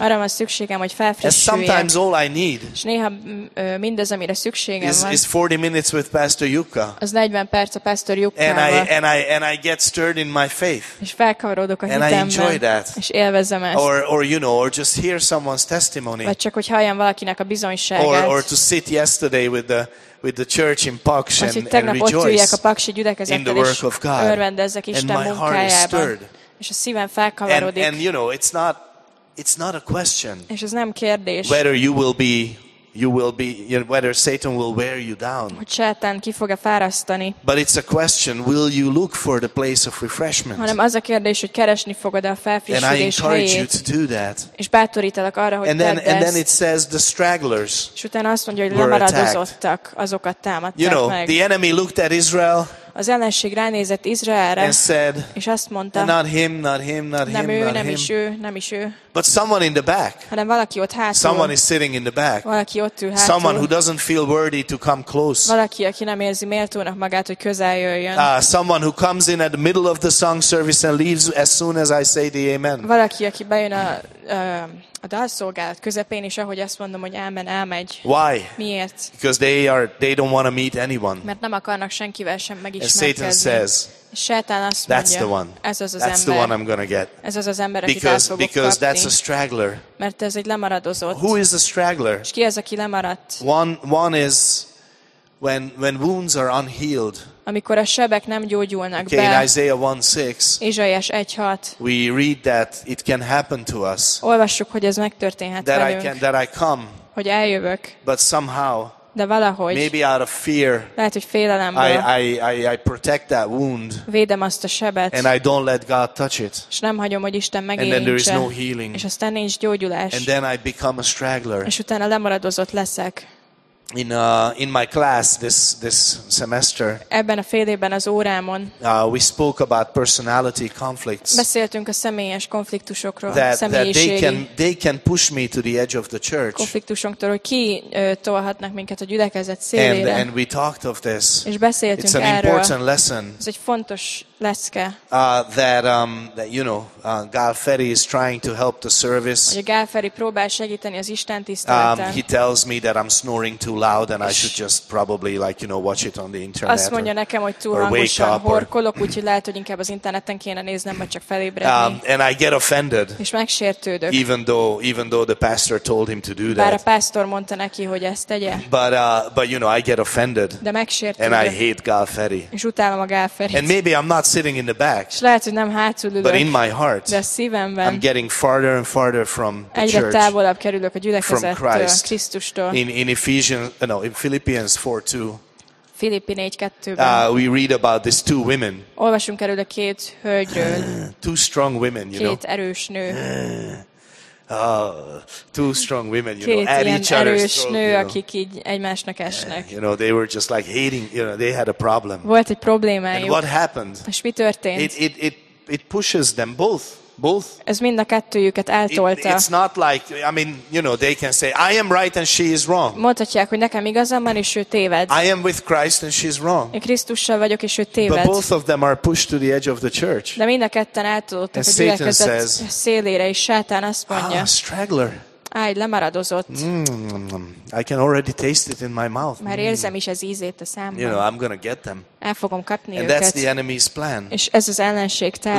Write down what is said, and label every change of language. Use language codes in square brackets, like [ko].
[hu] Arra van szükségem, hogy felfrissüljek. [en] And sometimes all I need. [hu] És néha mindez, amire szükségem van. [en] Is 40 minutes with Pastor Yuka. [hu] Az 40 perc a Pastor Yukával. [en] And I get stirred in my faith. [hu] És felkavarodok a [en] and I enjoy that. [hu] És élvezem ezt. [en] Or you know, or just hear someone's testimony. [hu] Vagy csak hogy halljam valakinek a bizonyságát. [en] Or to sit yesterday with the church in Paks and rejoice in the work of God. And my heart is stirred. [hu] És a szívem felkavarodik. [en] And you know, it's not a question. [hu] És ez nem kérdés. [en] Whether you will be you know, whether Satan will wear you down. [hu] Hogy Sátán ki fog-e fárasztani. [en] But it's a question, will you look for the place of refreshment? [hu] Hanem az a kérdés, hogy keresni fogod-e a felfrissülés helyét. [en] And I encourage you to do that. [hu] És bátorítalak arra, hogy tedd ezt. [en] And then it says the stragglers. [hu] És utána azt mondja, hogy lemaradozottak, azokat támadták [en] you know, [hu] meg. [en] The enemy looked at Israel. [hu] Az ellenség ránézett Izraelre, [en] and said, [hu] és azt mondta, nem is ő. [en] But someone in the back. [hu] Hanem valaki ott hátul. [en] Someone is sitting in the back. [hu] Valaki ott ül hátul. [en] Someone who doesn't feel worthy to come close. [hu] Valaki, aki nem érzi méltónak magát, hogy közel jöjjön. [en] Someone who comes in at the middle of the song service and leaves as soon as I say the amen. [hu] Valaki, aki bejön a dalszolgálat közepén is, ahogy azt mondom, hogy amen, elmegy. [en] Why? [hu] Miért? [en] Because they don't want to meet anyone. [hu] Mert nem akarnak senkivel sem megismerkedni. [en] As Satan says. [hu] Sátán azt mondja, [en] that's the one. [hu] Ez az az [en] that's [hu] ember. [en] The one I'm gonna get. [hu] Ez az az ember, [en] because, [hu] akit el fogok kapni. [en] That's a straggler. [hu] Mert ez egy lemaradozott. [en] Who is a straggler? [hu] És ki az, aki lemaradt? [en] One is when wounds are unhealed. [hu] Amikor a sebek nem gyógyulnak [en] okay, [hu] be. [en] In Isaiah 1:6. [hu] Ézsaiás 1:6. [en] We read that it can happen to us. [hu] Olvassuk, hogy ez megtörténhet [en] that [hu] velünk. [en] That I come. [hu] Hogy eljövök. [en] But somehow. [hu] De valahogy. [en] Maybe out of fear. [hu] Lehet, hogy félelemből. [en] I protect that wound. [hu] Védem azt a sebet. [en] And I don't let God touch it. [hu] És nem hagyom, hogy Isten megérintse. [en] And then there is no healing. [hu] És aztán nincs gyógyulás. [en] And then I become a straggler. [hu] És utána lemaradozott leszek. [en] In my class this semester. [hu] Ebben a fél évben az órámon. [en] We spoke about personality conflicts. [hu] Beszéltünk a személyes konfliktusokról, személyiségi. [en] They can push me to the edge of the church. [hu] Konfliktusoktól, hogy ki tolhatnak minket a gyülekezet szélére. [en] And we talked of this. [hu] És beszéltünk erről. [en] It's an important lesson. [hu] Ez egy fontos lecke. [en] That you know, Gál Feri is trying to help the service. [hu] Hogy Gál Feri próbál segíteni az istentiszteleten. [en] He tells me that I'm snoring too loud and I should just probably like you know watch it on the internet. [hu] Azt mondja nekem, hogy túl hangosan horkolok, úgyhogy lehet, hogy inkább az interneten kéne néznem, vagy csak felébredni. [en] And I get offended. [hu] És megsértődök. [en] Even though the pastor told him to do that. [hu] Bár a pastor mondta neki, hogy ezt tegye. [en] But you know I get offended. [hu] De megsértődök. [en] And I hate Gál Feri. [hu] És utálom a Gál Ferit. [en] And maybe I'm not sitting in the back. [hu] És lehet, hogy nem hátul ülök. [en] But in my heart. [hu] De a szívemben. [en] I'm getting farther and farther from the [hu] egyre [en] church. [hu] Egyre távolabb kerülök a gyülekezettől, Krisztustól. [en] In Philippians 4:2. [hu] Filippi 4:2-ben. [en] We read about these two women. [hu] Olvasunk erről a két hölgyről. [en] Two strong women, you [hu] két [en] know. [hu] Két erős nő. [en] Two strong women, you [hu] két [en] know, at each other's throat, [hu] nő, [en] you know. [hu] Akik így egymásnak esnek. [en] You know, they were just like hating, you know, they had a problem. [hu] Volt egy problémájuk. [en] And what happened? [hu] És mi történt? [en] It pushes them both. Both. [hu] Ez mind a kettőjüket eltolta. [en] It's not like, I mean, you know, they can say, I am right and she is wrong. [hu] Mondhatják, hogy nekem igazam van, és ő téved. [en] I am with Christ and she is wrong. [hu] Én Krisztussal vagyok, és ő téved. [en] But both of them are pushed to the edge of the church. [hu] De mind a ketten eltolottak a gyülekezet szélére, és Sátán azt mondja. [en] Ah, straggler. [hu] Áj, lemaradozott. [en] I can already taste it in my mouth. [hu] Már érzem is az ízét a számban. [en] You know, I'm gonna get them. [hu] El fogom kapni [en] and [hu] őket. [en] That's the enemy's plan. [hu] És ez az ellenség terve.